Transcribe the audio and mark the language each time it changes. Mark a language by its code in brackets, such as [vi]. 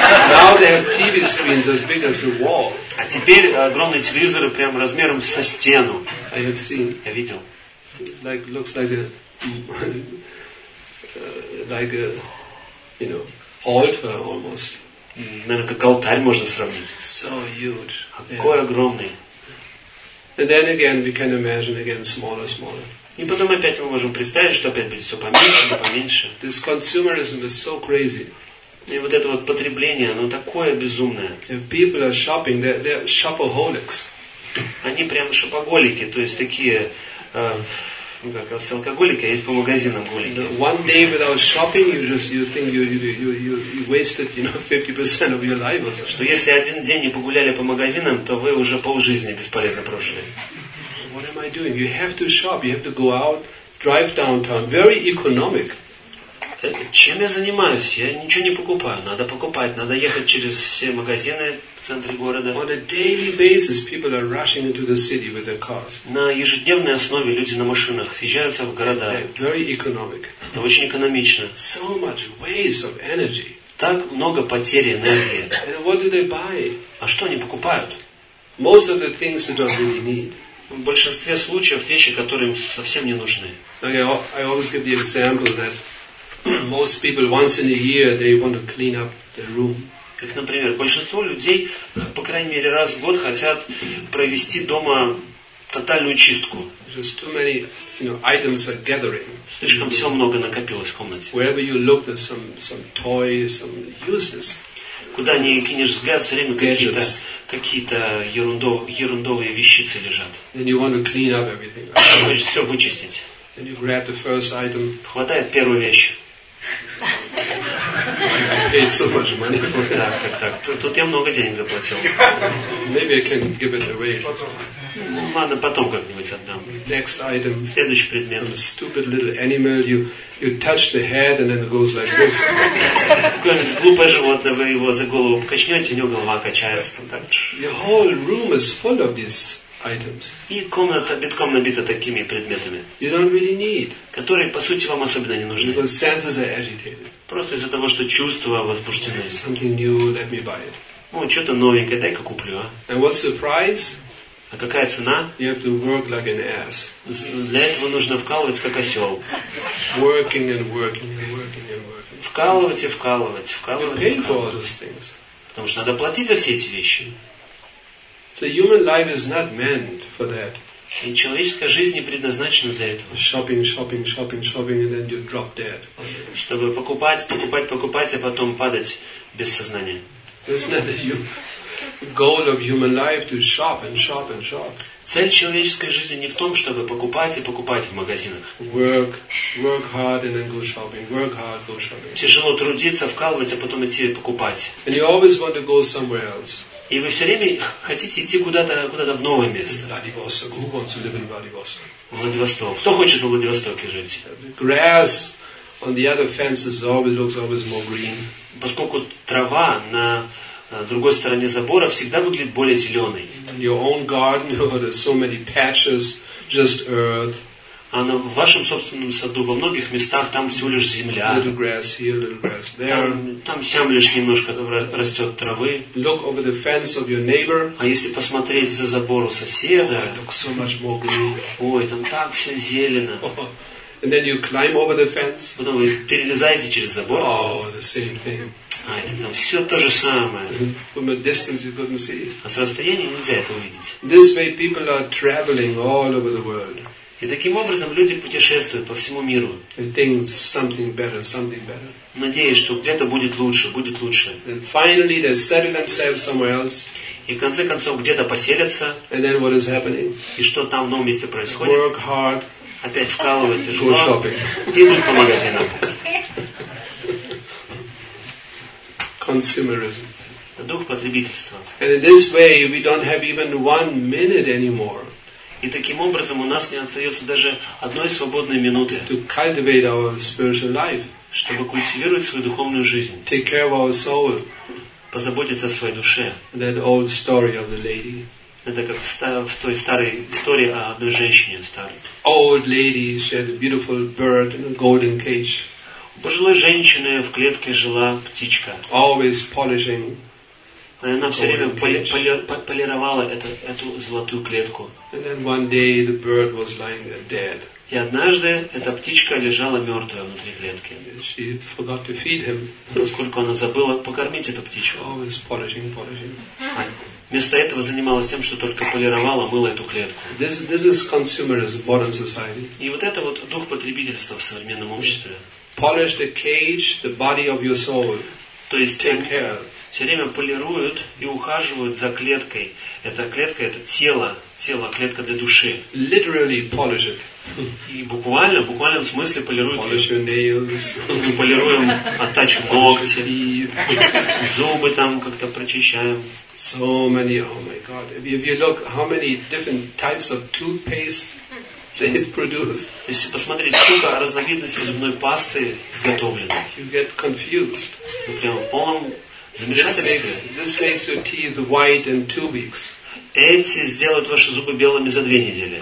[en] Now they have TV screens as big as the wall. [ru] А теперь огромные телевизоры прям размером со стену. [en] I have seen. [ru] Я видел. [en] Like looks like a, you know, altar almost. [ru] Наверное, как алтарь можно сравнить. [en] So huge. [ru] Какой огромный. [en] And then again, we can imagine again smaller, smaller. [ru] И потом опять мы можем представить, что опять будет все поменьше, поменьше. [en] This consumerism is so crazy. [ru] И вот это вот потребление, оно такое безумное. [en] If people are shopping, they're shopaholics. [ru] Они прям шопоголики, то есть такие, как раз алкоголики, а есть по магазинам голики. [en] One day without shopping, you think you wasted, you know, 50% of your life or something. [ru] Что если один день не погуляли по магазинам, то вы уже полжизни бесполезно прожили. [en] What am I doing? You have to shop, you have to go out, drive downtown, very economic. [ru] Чем я занимаюсь? Я ничего не покупаю. Надо покупать, надо ехать через все магазины в центре города. [en] On a daily basis, people are rushing into the city with their cars. [ru] На ежедневной основе люди на машинах съезжаются в города. [en] Very economic. [ru] Это очень экономично. [en] So much waste of energy. [ru] Так много потери энергии. [en] And what do they buy? [ru] А что они покупают? [en] Most of the things they don't really need. [ru] В большинстве случаев вещи, которые им совсем не нужны. [en] Okay, I always give the example that most people once in a year they want to clean up their room. [ru] Как, например, большинство людей, по крайней мере, раз в год хотят провести дома тотальную чистку. [en] Just too many, you know, items are gathering. [ru] Слишком все много накопилось в комнате. [en] Wherever you look, there's some toys, some useless. [ru] Куда ни кинешь взгляд, все время какие-то ерундовые вещицы лежат. [en] Then you want to clean up everything. [ru] Хочешь все вычистить. [en] Then you grab the first item. [ru] Хватает первую вещь. [en] Paid so much money for it. [ru] Так. Тут я много денег заплатил. [en] Maybe I can give it away. [ru] Ну ладно, потом как-нибудь отдам. [en] Next item. [ru] Следующий предмет. [en] Some stupid little animal. You touch the head and then it goes like this. [ru] Какое-нибудь глупое животное, вы его за голову покачнете, у него голова качается там так. [en] Your whole room is full of these items. [ru] И комната битком набита такими предметами. [en] You don't really need. [ru] Которые, по сути, вам особенно не нужны. [en] Because senses are agitated. [ru] Просто из-за того, что чувства возбуждены. [en] Yeah, something new, let me buy it. [ru] Ну, что-то новенькое, дай-ка куплю, а. [en] And what's the price? [ru] А какая цена? [en] You have to work like an ass. [ru] Для этого нужно вкалывать как осел. [en] Working and working and working and working. [ru] Вкалывать и вкалывать, вкалывать. [en] You're paying for all those things. [ru] Потому что надо платить за все эти вещи. [en] The human life is not meant for that. [ru] И человеческая жизнь не предназначена для этого. [en] Shopping, shopping, shopping, shopping, and then you drop dead. [ru] Чтобы покупать, покупать, покупать, а потом падать без сознания. [en] It's not that you. Goal of human life to shop and shop and shop. [ru] Цель человеческой жизни не в том, чтобы покупать и покупать в магазинах. [en] Work hard and then go shopping. Work hard, go shopping. [ru] Тяжело трудиться, вкалывать, а потом идти покупать. [en] And you always want to go somewhere else. [ru] И вы все время хотите идти куда-то в новое место. [en] Владивосток. Who wants to live in Vladivostok? [ru] Владивосток. Кто хочет в Владивостоке жить? [en] The grass on the other fences always looks always more green. [ru] Поскольку трава на другой стороне забора всегда выглядит более зеленой. [en] Your own garden, there's so many patches, just earth. [ru] А на вашем собственном саду во многих местах там всего лишь земля. [en] Little grass here, little grass there. [ru] Там сям лишь немножко растет травы. [en] Look over the fence of your neighbor. [ru] А если посмотреть за забор у соседа, [en] oh, looks so much more green. [ru] Ой, там так все зелено. [en] Oh. And then you climb over the fence. [ru] Потом вы перелезаете через забор. [en] Oh, the same thing. [ru] А это там все то же самое. [en] From a distance you couldn't see. [ru] А с расстояния нельзя это увидеть. [en] This way people are traveling all over the world. [ru] И таким образом люди путешествуют по всему миру. [en] They think something better, something better. [ru] Надеясь, что где-то будет лучше, будет лучше. [en] And finally they settle themselves somewhere else. [ru] И в конце концов где-то поселятся. [en] And then what is happening? [ru] И что там в новом месте происходит? [en] Work hard. [ru] Опять вкалывают тяжело. [en] Go shopping. [ru] Идут по магазинам. [en] Consumerism. [ru] Дух потребительства. [en] And in this way, we don't have even 1 minute anymore. [ru] И таким образом у нас не остается даже одной свободной минуты. [en] To cultivate our spiritual life. [ru] Чтобы культивировать свою духовную жизнь. [en] Take care of our soul. [ru] Позаботиться о своей душе. [en] That old story of the lady. [ru] Это как в той старой истории о одной женщине старой. [en] Old lady, she had a beautiful bird in a golden cage. [ru] Пожилой женщины в клетке жила птичка. [en] Always polishing. [ru] Она все время полировала эту золотую клетку. [en] And then one day the bird was lying there dead. [ru] И однажды эта птичка лежала мертвая внутри клетки. [en] She forgot to feed him. [ru] Поскольку она забыла покормить эту птичку. [en] Always polishing. [ru] Вместо этого занималась тем, что только полировала, мыла эту клетку. [en] This is consumerism, modern society. [ru] И вот это вот дух потребительства в современном обществе. [en] Polish the cage, the body of your soul. [ru] То есть [en] take care. [ru] Все время полируют и ухаживают за клеткой. Эта клетка – это тело, клетка для души. [en] Literally polish it. [ru] И буквально, в буквальном смысле полируют. [en] Polish your nails. [ru] Полируем, оттачиваем ногти. Зубы там как-то прочищаем. [en] So many, oh my God. If you look, how many different types of toothpaste. [ru] Если посмотреть, сколько разновидностей зубной пасты изготовлено. [en] You get confused. [ru] Вы прямо в полном замешательстве. [en] This makes your teeth white in 2 weeks. [ru] Эти сделают ваши зубы белыми за 2 недели.